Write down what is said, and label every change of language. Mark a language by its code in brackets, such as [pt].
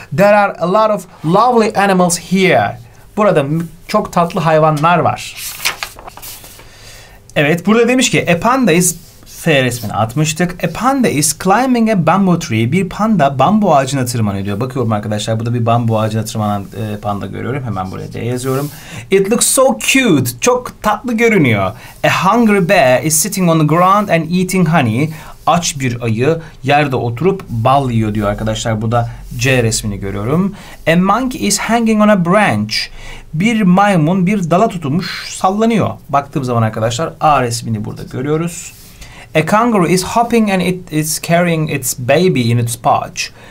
[en] There are a lot of lovely animals here. [tr] Burada çok tatlı hayvanlar var. Evet, burada demiş ki [en] a panda is [tr] F resmini atmıştık. [en] A panda is climbing a bamboo tree. [tr] Bir panda bambu ağacına tırmanıyor diyor. Bakıyorum arkadaşlar, burada bir bambu ağacına tırmanan panda görüyorum. Hemen buraya da yazıyorum. [en] It looks so cute. [tr] Çok tatlı görünüyor. [en] A hungry bear is sitting on the ground and eating honey. [tr] Aç bir ayı yerde oturup bal yiyor diyor arkadaşlar. Burada C resmini görüyorum. [en] A monkey is hanging on a branch. [tr] Bir maymun bir dala tutunmuş sallanıyor. Baktığım zaman arkadaşlar A resmini burada görüyoruz. [en] A kangaroo is hopping and it is carrying its baby in its pouch.